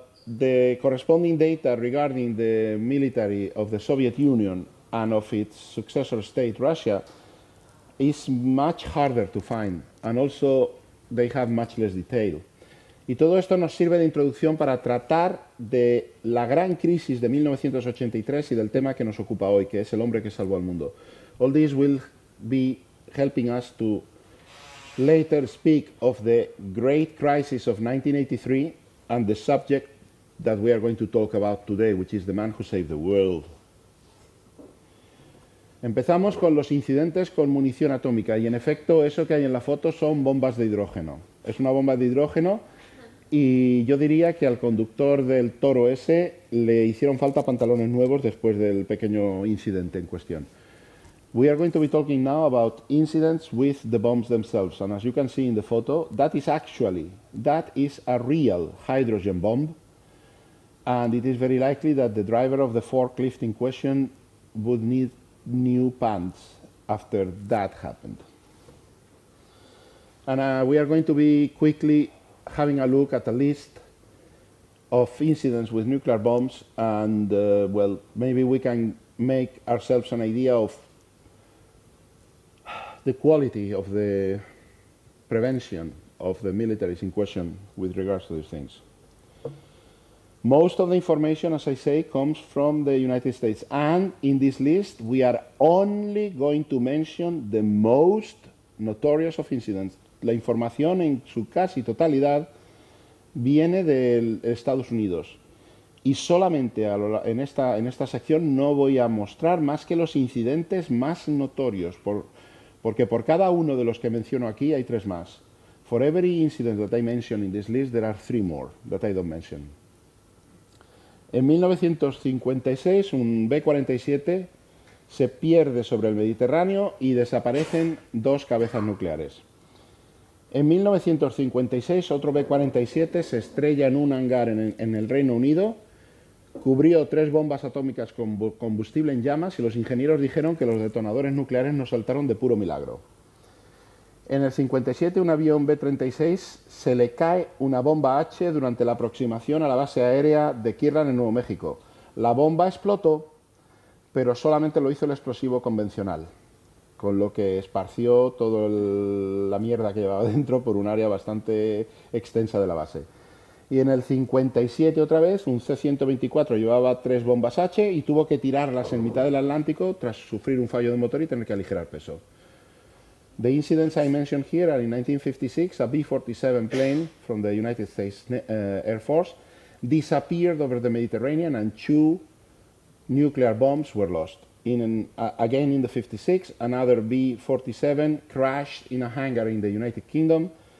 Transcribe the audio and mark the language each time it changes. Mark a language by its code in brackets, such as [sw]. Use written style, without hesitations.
[en] The corresponding data regarding the military of the Soviet Union and of its successor state, Russia, is much harder to find, and also they have much less detail. [es] Y todo esto nos sirve de introducción para tratar de la gran crisis de 1983 y del tema que nos ocupa hoy, que es el hombre que salvó al mundo. [en] All this will be helping us to later speak of the great crisis of 1983 and the subject that we are going to talk about today, which is the man who saved the world. [es] Empezamos con los incidentes con munición atómica, y en efecto, eso que hay en la foto son bombas de hidrógeno. Es una bomba de hidrógeno, y yo diría que al conductor del Toro ese le hicieron falta pantalones nuevos después del pequeño incidente en cuestión. [en] We are going to be talking now about incidents with the bombs themselves, and as you can see in the photo, that is a real hydrogen bomb, and it is very likely that the driver of the forklift in question would need new pants after that happened. And we are going to be quickly having a look at a list of incidents with nuclear bombs, and well, maybe we can make ourselves an idea of the quality of the prevention of the militaries in question with regards to these things. Most of the information, as I say, comes from the United States, and in this list we are only going to mention the most notorious of incidents. [es] La información en su casi totalidad viene de Estados Unidos, y solamente en esta sección no voy a mostrar más que los incidentes más notorios, porque por cada uno de los que menciono aquí hay tres más. [en] For every incident that I mention in this list, there are three more that I don't mention. [es] En 1956, un B-47 se pierde sobre el Mediterráneo y desaparecen dos cabezas nucleares. En 1956, otro B-47 se estrella en un hangar en el Reino Unido, cubrió tres bombas atómicas con combustible en llamas, y los ingenieros dijeron que los detonadores nucleares no saltaron de puro milagro. En el 57, un avión B-36 se le cae una bomba H durante la aproximación a la base aérea de Kirtland en Nuevo México. La bomba explotó, pero solamente lo hizo el explosivo convencional, con lo que esparció toda la mierda que llevaba dentro por un área bastante extensa de la base. Y en el 57, otra vez, un C-124 llevaba tres bombas H y tuvo que tirarlas en mitad del Atlántico tras sufrir un fallo de motor y tener que aligerar peso. [en] The incidents I mentioned here are in 1956, a B-47 plane from the United States Air Force disappeared over the Mediterranean and two nuclear bombs were lost. Again in the 56, another B-47 crashed in a hangar in the United Kingdom.